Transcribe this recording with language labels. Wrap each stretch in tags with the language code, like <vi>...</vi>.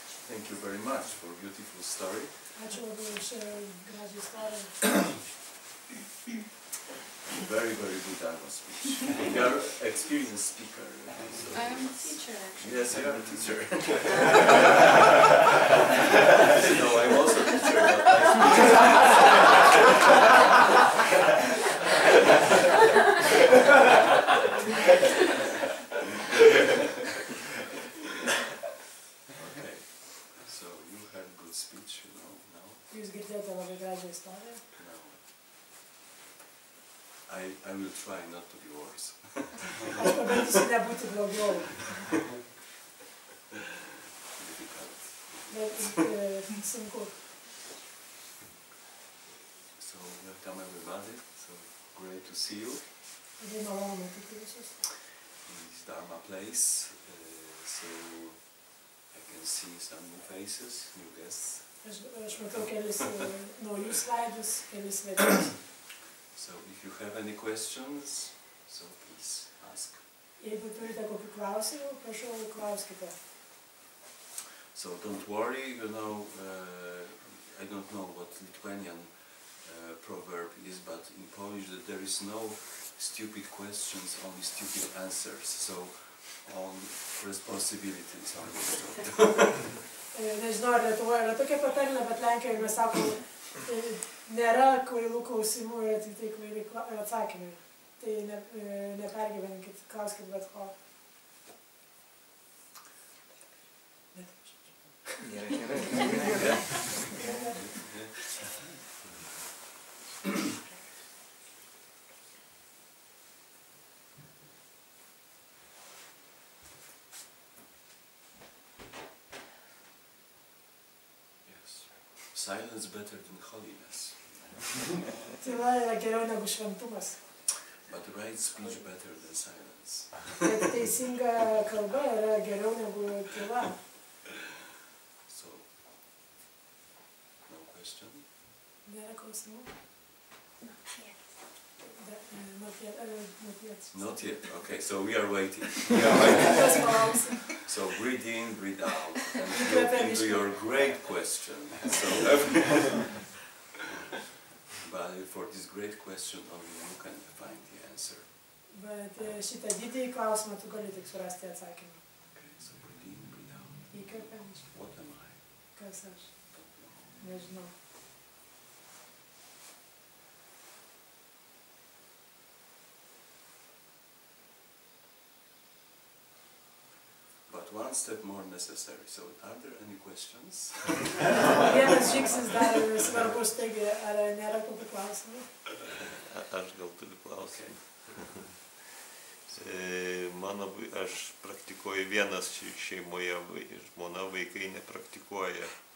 <en>Thank you very much for a beautiful story.</en> <lt>Ačiū labai už gražią istoriją.</lt> <en>Very, very good Dharma speech. You are an experienced speaker. So I am a teacher, actually. Yes, you are a teacher. No, I'm also a teacher, but I okay. So, you have good speech, you know, now?</en> <lt>Jūs girdėjote labai gražią istoriją?</lt> <en>I will try not to be worse. So, welcome everybody. So, great to see you. In this Dharma place. So, I can see some new faces, new guests. So, if you have any questions, so please ask.</en> <lt>Jeigu turite kokių klausimų, prašau, klauskite.</lt> <en>So, don't worry, you know, I don't know what Lithuanian proverb is, but in Polish that there is no stupid questions, only stupid answers. So, all responsibilities are yours.</en> <lt>Nežinau, Lietuvoje yra tokia patarlė, bet Lenkijoje mes sakome, nėra kvailų klausimų ir tik tai kvaili atsakymai. Tai nepergyvenkit, klauskit bet ko. Gerai.</lt> <en>Silence better than holiness.</en> <lt>Tyla yra geriau negu šventumas.</lt> <en>But right speech better than silence.</en> <lt>Bet teisinga kalba yra geriau negu tyla.</lt> <en>So, no question?</en> <lt>Nėra klausimų?</lt> <en>Not yet. Okay, so we are waiting. We are waiting. So breathe in, breathe out, and look into your great question. So, but for this great question only you can find the answer.</en> <lt>But šitą didį klausimą tu gali tik surasti atsakymą.</lt> <en>Okay, so breathe in, breathe out.</en> <lt>Įkvepiam.</lt> <en>What am I?</en> <lt>Kas aš? Nežinau.</lt> <en>But one step more necessary. So, are there any questions?</en> <lt>Vienas žingsnis dar svarbus, taigi, ar nėra kokių klausimų? Aš gal turiu klausimą. Mano, aš praktikuoju vienas šeimoje, žmona, vaikai nepraktikuoja.</lt>